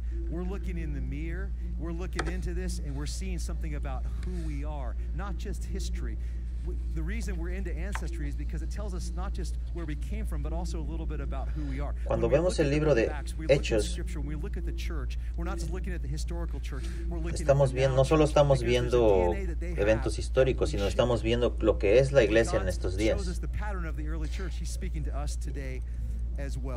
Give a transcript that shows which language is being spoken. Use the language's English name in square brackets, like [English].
[English] We're looking in the mirror, we're looking into this, and we're seeing something about who we are, not just history. The reason we're into ancestry is because it tells us not just where we came from, but also a little bit about who we are. [Spanish] Cuando vemos el libro de Hechos, [English] we look at the church, we're not just looking at the historical church, we're looking [Spanish] estamos viendo, no solo estamos viendo eventos históricos, sino estamos viendo lo que es la iglesia en estos días. [English] Shows us the pattern of the early church. He's speaking to us today as well.